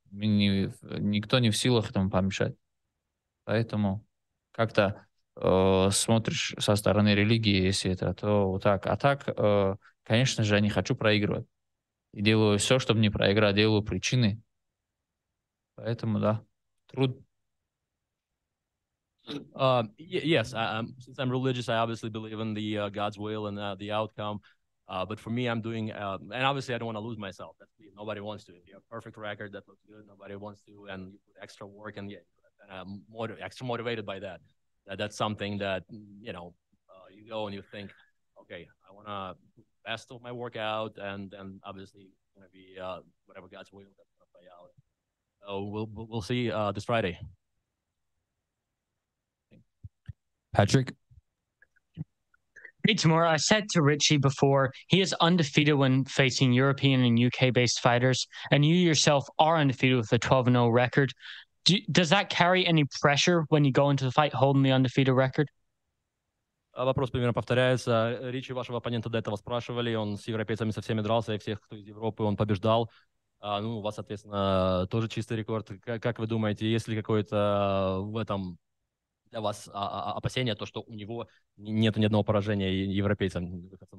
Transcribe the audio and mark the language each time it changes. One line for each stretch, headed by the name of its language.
Russian: Никто не в силах этому помешать. Поэтому как-то смотришь со стороны религии, если это, то вот так. А так, конечно же, я не хочу проигрывать. И делаю все, чтобы не проиграть, делаю причины. Поэтому, да, труд.
English: Yes, since I'm religious, I obviously believe in the God's will and the outcome. But for me, I'm doing, and obviously I don't want to lose myself. That's me. Nobody wants to. If you have a perfect record, that looks good. Nobody wants to. And you put extra work and extra motivated by that. That's something that, you know, you go and you think, okay, I want to put the best of my workout. And then obviously it's going to be whatever God's will that's going to play out. So we'll see this Friday. Patrick? Hey, Timur, I said to Richie before, he is undefeated when facing European and UK-based fighters, and you yourself are undefeated with a 12-0 record. Does that carry any pressure when you go into the fight holding the undefeated record?
Russian: Вопрос примерно повторяется. Ричи, вашего оппонента до этого спрашивали, он с европейцами со всеми дрался, и всех, кто из Европы, он побеждал. Ну, у вас, соответственно, тоже чистый рекорд. Как вы думаете, есть ли какой-то в этом... для вас опасения, то, что у него нет ни одного поражения европейцам?